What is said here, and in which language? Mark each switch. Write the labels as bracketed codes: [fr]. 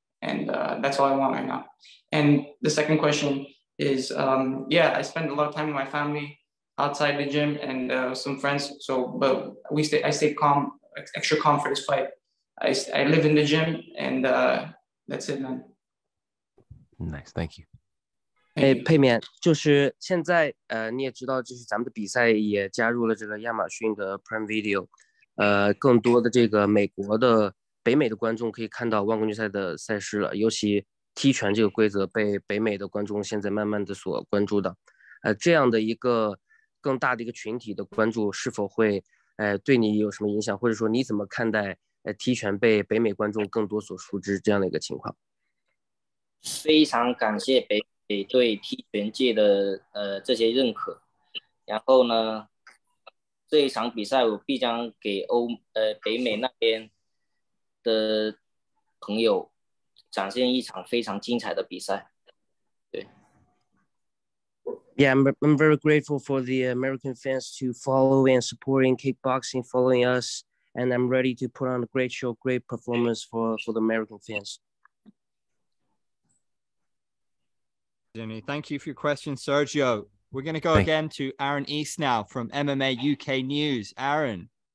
[en] And that's all I want right now. And the second question is, I spend a lot of time with my family outside the gym and some friends. So, but I stay calm, extra calm for this fight. I live in the gym, and that's it, man. Nice, thank you. [zh] 佩面，就是现在，你也知道，就是咱们的比赛也加入了这个亚马逊的 Prime Video， 更多的这个美国的北美的观众可以看到万冠军赛的赛事了。尤其踢拳这个规则被北美的观众现在慢慢的所关注到，这样的一个更大的一个群体的关注是否会，对你有什么影响？或者说你怎么看待，踢拳被北美观众更多所熟知这样的一个情况？非常感谢北。对踢拳界的这些认可，然后呢，这一场比赛我必将给北美那边的朋友展现一场非常精彩的比赛。对 [en] ，Yeah, I'm very grateful for the American fans to follow and supporting kickboxing, following us, and I'm ready to put on a great show, great performance for the American fans. Jimmy, thank you for your question, Sergio. We're going to go again to Aaron East now from MMA UK News. Aaron.